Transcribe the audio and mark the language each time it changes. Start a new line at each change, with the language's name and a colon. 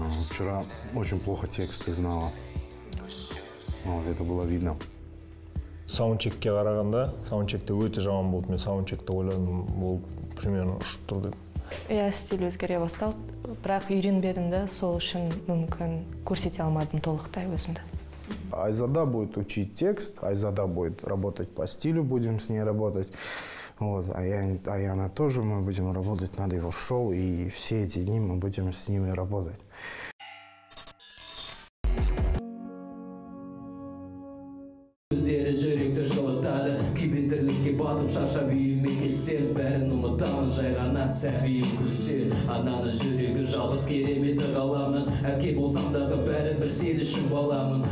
Russian: Вчера очень плохо текст ты знала. Вот, это было видно.
Kazakh: Саундчекке қарағанда, саундчекте өте жаман болды. Мен саундчекті ойладым, ол примерно ұшып тұр деп. Иә, стиль өзгере басталды, бірақ үйренбедім де, сол үшін мүмкін көрсете алмадым толықтай өзімді.
Russian: Айзада будет учить текст, Айзада будет работать по стилю, будем с ней работать. Вот, Аяна тоже, мы будем работать над его шоу, и все эти дни мы будем с ними работать.
Kazakh: Өздері жүректі жылытады, кибетірлікке батып шаршап үйіме кетсем, бәрін ұмытамын жайғана сәбиім күлсер. Ананың жүрегі жалғыз кереметі қаламын, әке болсамдағы бәрі бір сен үшін баламын.